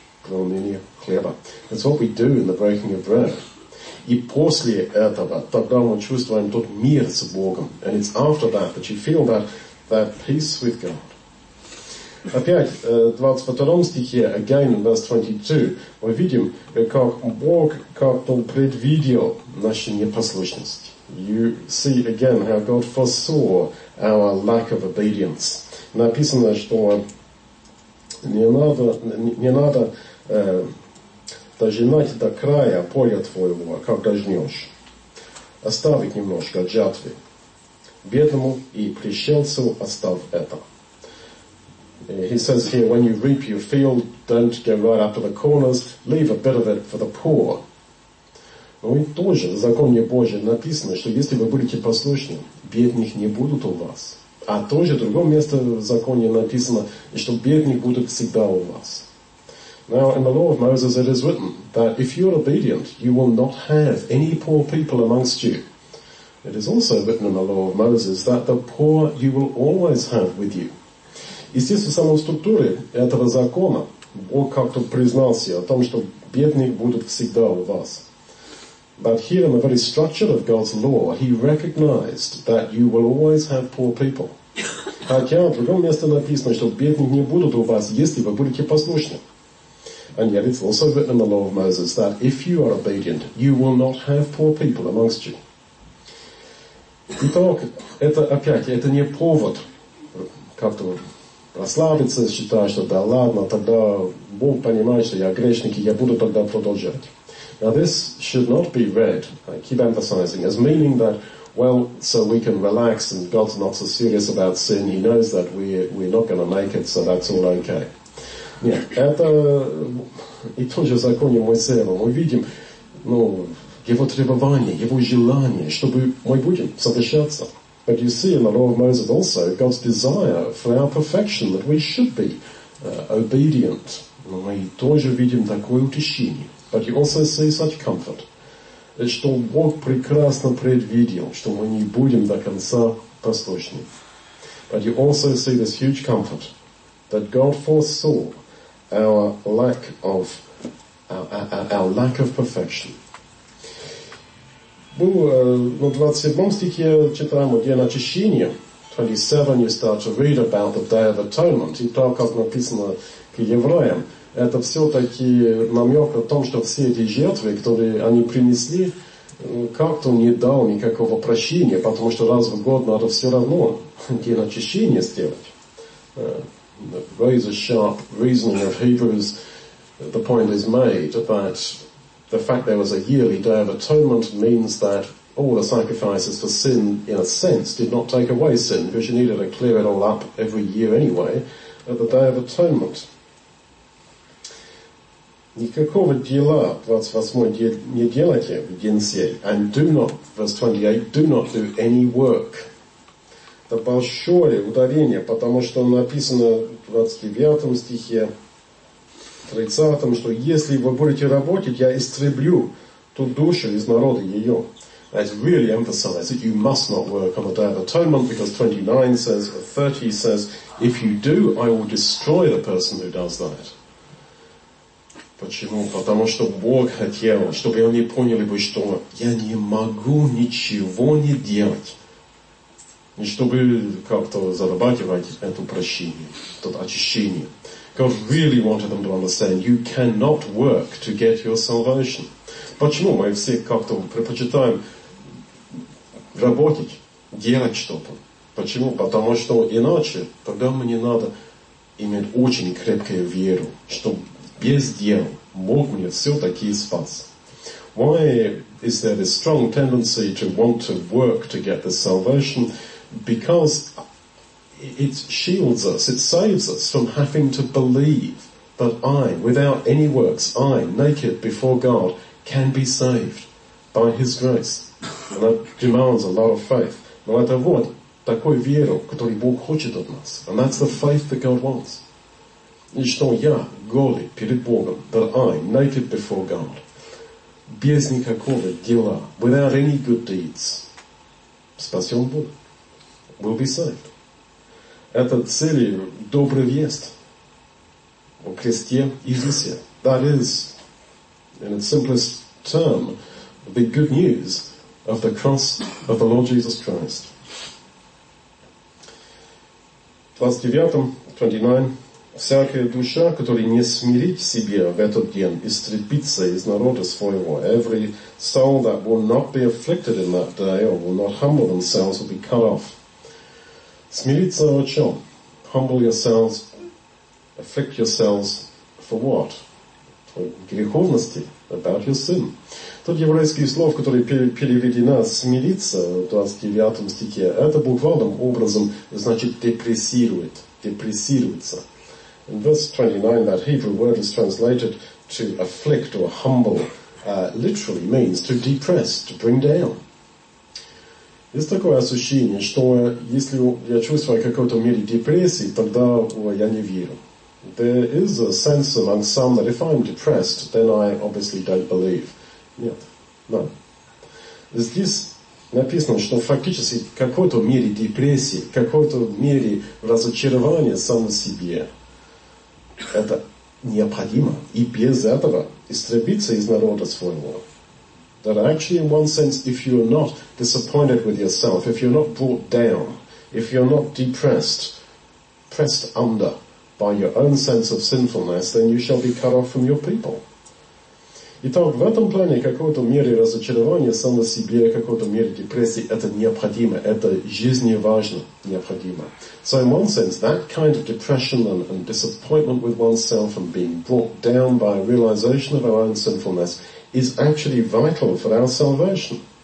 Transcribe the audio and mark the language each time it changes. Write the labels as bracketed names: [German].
[Russian] Преломление хлеба. [English] That's what we do in the breaking of bread. [Russian] И после этого, тогда мы чувствуем тот мир с Богом. [English] And it's after that that you feel that peace with God. [Russian] Опять, в 22 стихе, [English] again in verse 22, [Russian] мы видим, как Бог как-то предвидел нашу непослушность. [English] You see again how God foresaw our lack of obedience. [Russian] Написано, что не надо дожинать до края поля твоего, как дожнешь. Оставить немножко жатвы. Бедному и пришельцу оставь это. [English] He says here, when you reap your field, don't go right up to the corners, leave a bit of it for the poor. [Russian] Ну и тоже в законе Божьем написано, что если вы будете послушны, бедных не будут у вас. А тоже в другом месте в законе написано, что бедных будут всегда у вас. [English] Now, in the law of Moses, it is written that if you are obedient, you will not have any poor people amongst you. It is also written in the law of Moses that the poor you will always have with you. [Russian] Естественно, в самой структуре этого закона Бог как-то признался о том, что бедные будут всегда у вас. [English] But here, in the very structure of God's law, he recognized that you will always have poor people. [Russian] Хотя в другом месте написано, что бедные не будут у вас, если вы будете послушны. [English] And yet it's also written in the law of Moses that if you are obedient, you will not have poor people amongst you. [Russian] Итак, это опять, это не повод как-то прославиться, считая, что да ладно, тогда Бог понимает, что я грешник, и я буду тогда продолжать. [English] Now this should not be read, I keep emphasizing, as meaning that, well, so we can relax and God's not so serious about sin, he knows that we're not going to make it, so that's all okay. [Russian] Нет, это и тот же закон Моисеева. Мы видим, ну, его требования, его желания, чтобы мы будем совершаться. [English] But you see in the law of Moses also God's desire for our perfection, that we should be obedient. [Russian] Мы тоже видим такое утешение. [English] But you also see such comfort, [Russian] что Бог прекрасно предвидел, что мы не будем до конца послушны. [English] But you also see this huge comfort that God foresaw our lack of perfection. [Russian] Ну, в 27 стихе читаем о день очищения. [English] 27, you start to read about the Day of Atonement. [Russian] И так, как написано к евреям, это все-таки намек о том, что все эти жертвы, которые они принесли, как-то не дал никакого прощения, потому что раз в год надо все равно день очищения сделать. [English] The razor-sharp reasoning of Hebrews, the point is made that the fact there was a yearly Day of Atonement means that all the sacrifices for sin, in a sense, did not take away sin, because you needed to clear it all up every year anyway, at the Day of Atonement. [Russian] Никакого дела, 28-й, не делайте в день сей, [English] and do not, verse 28, do not do any work. [Russian] Это большое ударение, потому что написано в 29 стихе, 30, что если вы будете работать, я истреблю ту душу из народа ее. [English] It's really emphasized that you must not work on the Day of Atonement, because 29 says, or 30 says, if you do, I will destroy the person who does that. [Russian] Почему? Потому что Бог хотел, чтобы они поняли бы, что я не могу ничего не делать. И чтобы как-то зарабатывать это прощение, это очищение. [English] God really wanted them to understand, you cannot work to get your salvation. [Russian] Почему мы все как-то предпочитаем работать, делать что-то? Почему? Потому что иначе, тогда мне надо иметь очень крепкую веру, что без дел Бог мне все-таки спас. [English] Why is there this strong tendency to want to work to get the salvation? Because it shields us, it saves us from having to believe that I, without any works, I, naked before God, can be saved by His grace. And that demands a lot of faith. [Russian] Но это вот такой веру, который Бог хочет от нас. [English] And that's the faith that God wants. [Russian] И что я голый перед Богом, [English] that I, naked before God, [Russian] без никакого дела, [English] without any good deeds, [Russian] спасен Бог. [English] Will be saved. [Russian] Это цель добрая весть о кресте Иисусе. [English] That is, in its simplest term, the good news of the cross of the Lord Jesus Christ. [Russian] В 29-29 всякая душа, которая не смирит себя в этот день, истребится из народа своего. [English] Every soul that will not be afflicted in that day or will not humble themselves will be cut off. [Russian] Смириться о чем? [English] Humble yourselves, afflict yourselves for what? [Russian] Греховности, [English] about your sin. [Russian] Тот еврейский слов, который переведено смириться в 29 стихе, это буквальным образом значит депрессирует, депрессируется. [English] In verse 29, that Hebrew word is translated to afflict or humble, literally means to depress, to bring down. [Russian] Есть такое ощущение, что если я чувствую в какой-то мере депрессии, тогда я не верю. [English] There is a sense among some that if I'm depressed, then I obviously don't believe. [Russian] Нет. [English] No. [Russian] Здесь написано, что фактически в какой-то мере депрессии, в какой-то мере разочарования само себе, это необходимо. И без этого истребиться из народа своего. [English] That actually, in one sense, if you're not disappointed with yourself, if you're not brought down, if you're not depressed, pressed under by your own sense of sinfulness, then you shall be cut off from your people. [Russian] Итак, в этом плане какой-то мере разочарования само себе, какой-то мере депрессии, это необходимо, это жизненно необходимо. [English] So in one sense, that kind of depression and disappointment with oneself and being brought down by a realization of our own sinfulness is actually vital for our salvation.